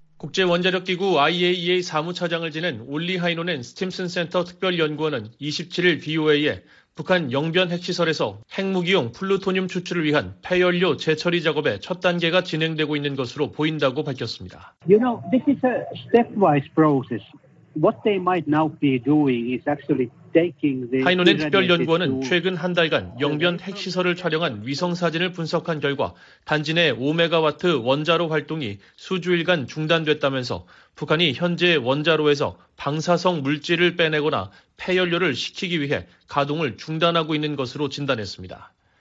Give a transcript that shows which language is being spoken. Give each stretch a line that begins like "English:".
Korean: 국제원자력기구 IAEA 사무차장을 지낸 올리 하이노넨 스팀슨 센터 특별연구원은 27일 BOA에 북한 영변 핵시설에서 핵무기용 플루토늄 추출을 위한 폐연료 재처리 작업의 첫 단계가 진행되고 있는 것으로 보인다고 밝혔습니다.
English: You know, this is a stepwise process. What they might now be doing is actually
Korean: 하이논의 특별연구원은 최근 한 달간 영변 핵시설을 촬영한 위성사진을 분석한 결과 단지 내 5메가와트 원자로 활동이 수주일간 중단됐다면서 북한이 현재 원자로에서 방사성 물질을 빼내거나 폐연료를 식히기 위해 가동을 중단하고 있는 것으로 진단했습니다.